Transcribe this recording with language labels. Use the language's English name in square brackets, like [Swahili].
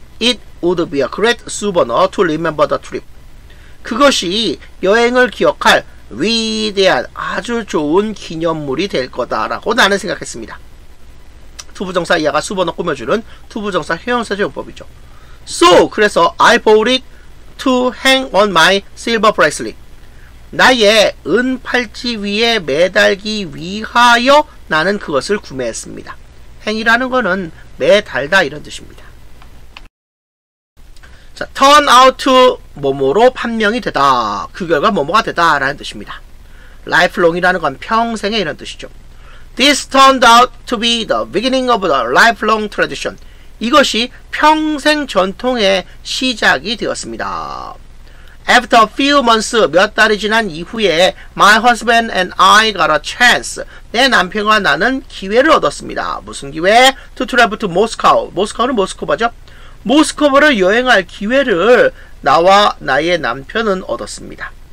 [English] It would be a great souvenir to remember the trip. [Korean] 그것이 여행을 기억할 위대한 아주 좋은 기념물이 될 거다라고 나는 생각했습니다. 투부정사 이하가 수번호 꾸며주는 투부정사 형용사 제어법이죠. [English] So, [Korean] 그래서 [English] I bought it to hang on my silver bracelet. [Korean] 나의 은 팔찌 위에 매달기 위하여 나는 그것을 구매했습니다. 행이라는 거는 매달다 이런 뜻입니다. 자, turn out 뭐뭐로 판명이 되다. 그 결과 뭐뭐가 되다 라는 뜻입니다. lifelong이라는 건 평생의 이런 뜻이죠. [English] This turned out to be the beginning of the lifelong tradition. [Korean] 이것이 평생 전통의 시작이 되었습니다. [English] After a few months, [Korean] 몇 달이 지난 이후에 [English] my husband and I got a chance. [Korean] 내 남편과 나는 기회를 얻었습니다. 무슨 기회? [English] To travel to Moscow. [Korean] 모스크바는 모스크바죠. 모스크바를 여행할 기회를 나와 나의 남편은 얻었습니다.